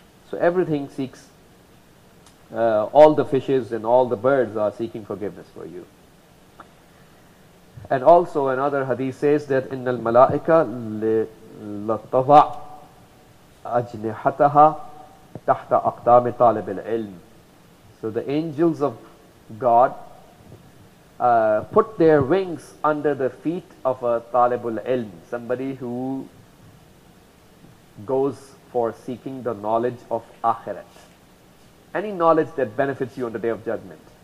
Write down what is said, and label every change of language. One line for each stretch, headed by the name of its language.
English: So everything seeks, all the fishes and all the birds are seeking forgiveness for you. And also another hadith says that
Arabic: إِنَّ الْمَلَائِكَ لَتَضَعْ أَجْنِحَتَهَا تَحْتَ أَقْدَامِ طَالِبِ الْعِلْمِ.
English: So the angels of God put their wings under the feet of a talibul ilm, somebody who goes for seeking the knowledge of akhirat, any knowledge that benefits you on the Day of Judgment.